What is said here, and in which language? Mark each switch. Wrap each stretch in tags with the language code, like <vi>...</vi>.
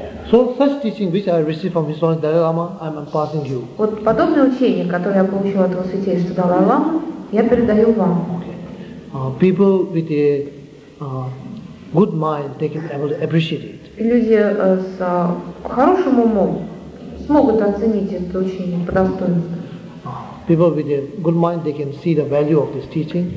<en>So such teaching which I received from His Holiness Dalai Lama, I'm passing you.</en> <ru>Вот подобное учение, которое я получил от Его Святейшества Далай Лама, я передаю вам.</ru> <en>Okay. People with a good mind, they can able to appreciate it.</en> <ru>Люди с хорошим умом смогут оценить это учение по достоинству.</ru> <en>People with a good mind, they can see the value of this teaching.</en>